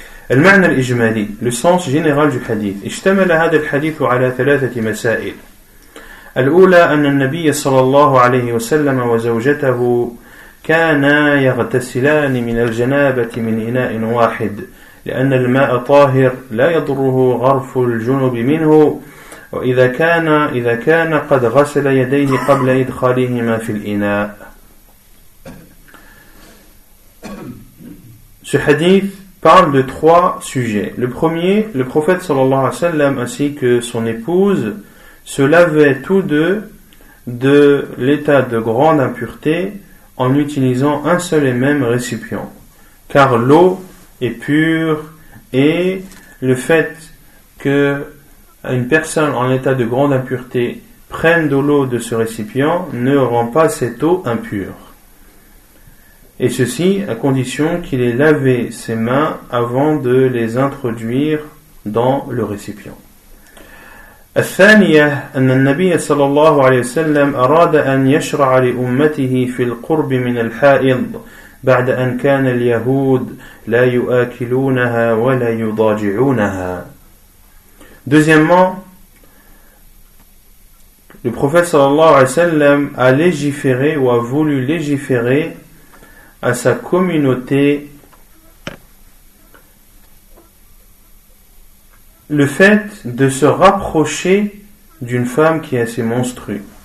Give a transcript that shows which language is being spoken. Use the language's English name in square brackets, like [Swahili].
[Arabic] المعنى الإجمالي, [French] le sens général du hadith. [Arabic] اجتمل هذا الحديث على ثلاثة مسائل. الأولى أن النبي صلى الله عليه وسلم وزوجته كانا يغتسلان من الجنابة من إناء واحد لأن الماء طاهر لا يضره غرف الجنب منه وإذا كان قد غسل يديه قبل إدخالهما في الإناء. [French] Ce hadith parle de trois sujets. Le premier, le prophète صلى الله عليه وسلم ainsi que son épouse se lavaient tous deux de l'état de grande impureté en utilisant un seul et même récipient. Car l'eau est pure et le fait qu'une personne en état de grande impureté prenne de l'eau de ce récipient ne rend pas cette eau impure. Et ceci à condition qu'il ait lavé ses mains avant de les introduire dans le récipient. [Arabic] الثانية أن النبي صلى الله عليه وسلم أراد أن يشرع لأمته في القرب من الحائض بعد أن كان اليهود لا يؤكلونها ولا يضاجعونها. [French] Deuxièmement, le prophète صلى الله عليه وسلم a légiféré ou a voulu légiférer à sa communauté le fait de se rapprocher d'une femme qui est assez monstrue.